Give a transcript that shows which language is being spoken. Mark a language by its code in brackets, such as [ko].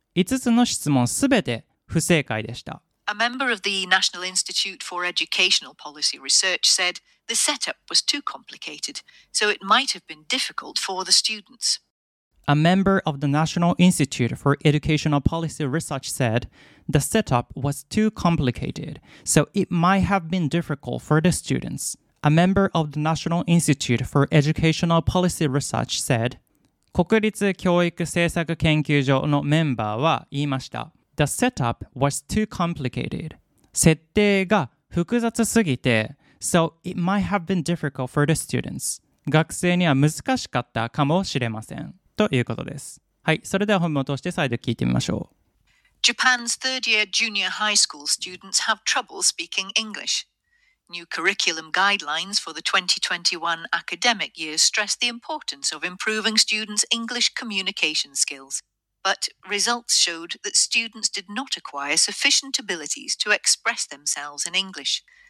[ja] 5つの質問すべて不正解でした。 [en] A member of the National Institute for Educational Policy Research said the setup was too complicated, so it might have been difficult for the students. A member of the National Institute for Educational Policy Research said the setup was too complicated, so it might have been difficult for the students. A member of the National Institute for Educational Policy Research said, [ja] 国立教育政策研究所のメンバーは言いました。 [en] The setup was too complicated. [ja] 設定が複雑すぎて、 [en] So it might have been difficult for the students. [ja] 学生には難しかったかもしれません。ということです。はい、それでは本文を通して再度聞いてみましょう。 [en] Japan's third year junior high school students have trouble speaking English. New curriculum guidelines for the 2021 academic year stress the importance of improving students' English communication skills. But results showed that students did not acquire sufficient abilities to express themselves in English.